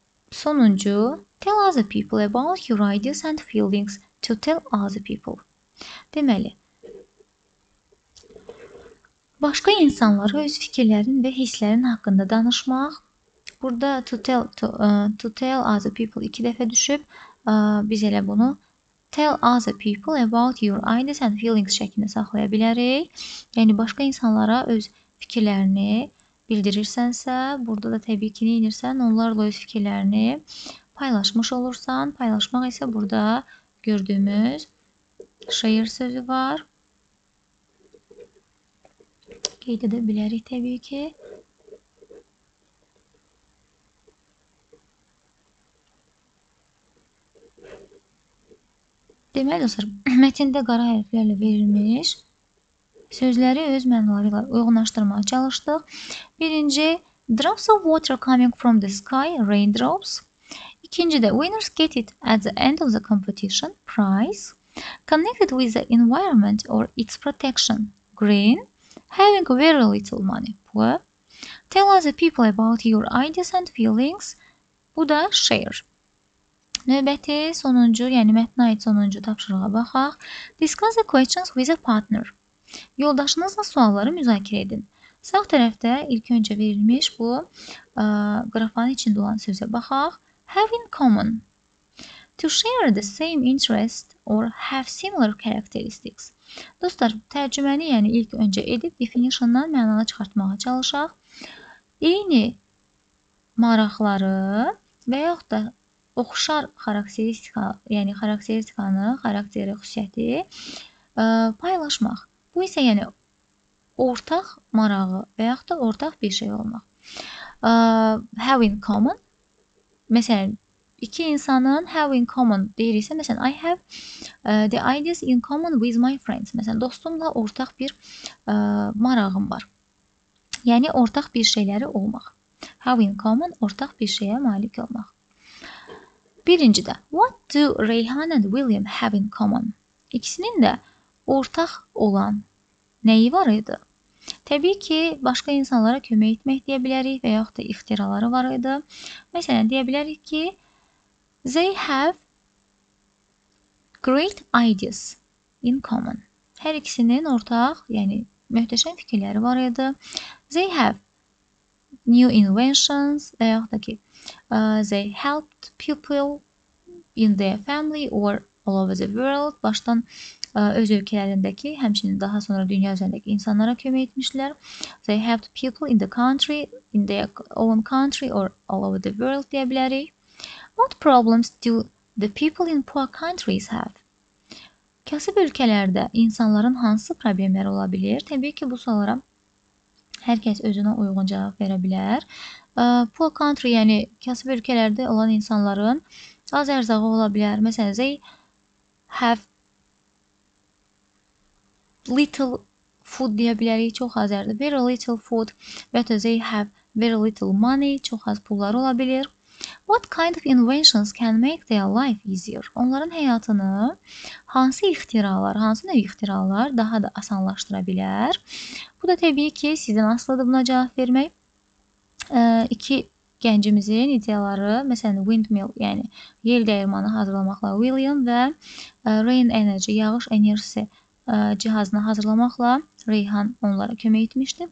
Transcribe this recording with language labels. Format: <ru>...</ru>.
<en>Sonuncu, tell other people about your ideas and feelings to tell other people.</en> <az>Deməli, başqa insanlara öz fikirlərin və hisslərin haqqında danışmaq. Burada</az> <en>to tell other people</en> <az>iki dəfə düşüb, biz elə bunu</az> <en>tell other people about your ideas and feelings</en> <az>şəklində saxlaya bilərik. Yəni, başqa insanlara öz fikirlərini bildirirsənsə, burada da təbii ki, neynirsən, onlarla öz fikirlərini paylaşmış olursan, paylaşmaq isə burada gördüyümüz share sözü var. Qeyd edə bilərik təbii ki. Deməli dostlar, mətndə qara hərflərlə verilmiş sözləri öz mənalarıyla uyğunlaşdırmağa çalışdıq.</az> <en>Birinci, drops of water coming from the sky, raindrops.</en> <az>İkinci də,</az> <en>winners get it at the end of the competition, prize. Connected with the environment or its protection, green. Having very little money, poor. Tell other people about your ideas and feelings.</en> <az>Bu da share. Növbəti sonuncu, yəni mətnə aid sonuncu tapşırığa baxaq.</az> <en>Discuss the questions with a partner.</en> <az>Yoldaşınızla sualları müzakirə edin. Sağ tərəfdə ilk öncə verilmiş bu qrafanın içində olan sözə baxaq.</az> <en>Have in common. To share the same interest or have similar characteristics.</en> <az>Dostlar, tərcüməni yəni ilk öncə edib definition-dan mənanı çıxartmağa çalışaq. Eyni maraqları və yaxud da oxşar xarakteristika, yəni xarakteristikanı, xarakteri, xüsusiyyəti paylaşmaq. Bu isə yəni ortaq marağı və yaxud da ortaq bir şey olmaq.</az> <en>Have in common.</en> <az>Məsələn, iki insanın</az> <en>have in common</en> <az>deyiriksə, məsələn,</az> <en>I have the ideas in common with my friends.</en> <az>Məsələn, dostumla ortaq bir marağım var. Yəni, ortaq bir şeyləri olmaq.</az> <en>Have in common,</en> <az>ortaq bir şeyə malik olmaq.</az> <en>Birincidə, what do Reyhan and William have in common?</en> <az>İkisinin də ortaq olan nəyi var idi? Təbii ki, başqa insanlara kömək etmək deyə bilərik və yaxud da ixtiraları var idi. Məsələn, deyə bilərik ki,</az> <en>they have great ideas in common.</en> <az>Hər ikisinin ortaq, yəni möhtəşəm fikirləri var idi.</az> <en>They have new inventions</en> <az>və yaxud da ki,</az> <en>they helped people in their family or all over the world.</en> <az>Başdan öz ölkələrindəki, həmçinin daha sonra dünya üzərindəki insanlara kömək etmişlər.</az> <en>They helped people in the country, in their own country or all over the world</en> <az>deyə bilərik.</az> <en>What problems do the people in poor countries have?</en> <az>Kasıb ölkələrdə insanların hansı problemləri ola bilir? Təbii ki, bu suallara hər kəs özünə uyğun cavab verə bilər.</az> <en>Poor country,</en> <az>yəni kasıb ölkələrdə olan insanların az ərzağı ola bilər. Məsələn,</az> <en>they have little food</en> <az>deyə bilərik, çox az ərzaq.</az> <en>Very little food.</en> <az>Və ya</az> <en>they have very little money,</en> <az>çox az pulları ola bilir.</az> <en>What kind of inventions can make their life easier?</en> <az>Onların həyatını hansı ixtiralar, hansı növ ixtiralar daha da asanlaşdıra bilər? Bu da təbii ki, sizin asılıdır buna cavab vermək. İki gəncimizin ideyaları, məsələn, windmill, yəni yel dəyirmanı hazırlamaqla William və rain energy, yağış enerjisi cihazını hazırlamaqla Reyhan onlara kömək etmişdi.</az>